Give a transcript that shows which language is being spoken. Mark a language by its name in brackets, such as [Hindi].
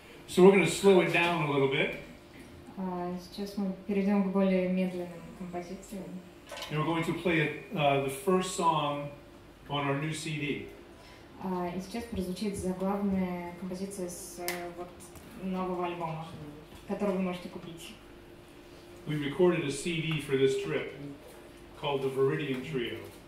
[English] So we're going to slow it down a little bit. [Russian] Сейчас мы перейдем к более медленным композициям. [English] And we're going to play the first song on our new CD. [Russian] И сейчас прозвучит заглавная композиция с вот нового альбома, который вы можете купить. [English] We recorded a CD for this trip called the Viridian Trio.